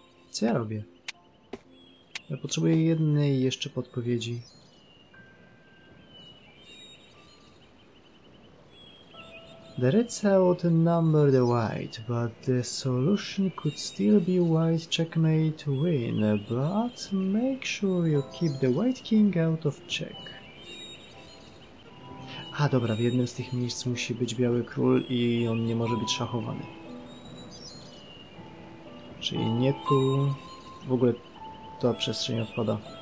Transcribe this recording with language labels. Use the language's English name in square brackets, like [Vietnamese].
[Polish] Co ja robię? Ja potrzebuję jednej jeszcze podpowiedzi. [English] The red cell outnumbered the white, but the solution could still be white checkmate win, but make sure you keep the white king out of check. [Polish] A dobra, w jednym z tych miejsc musi być biały król i on nie może być szachowany. Czyli nie tu. W ogóle ta przestrzeń odpada.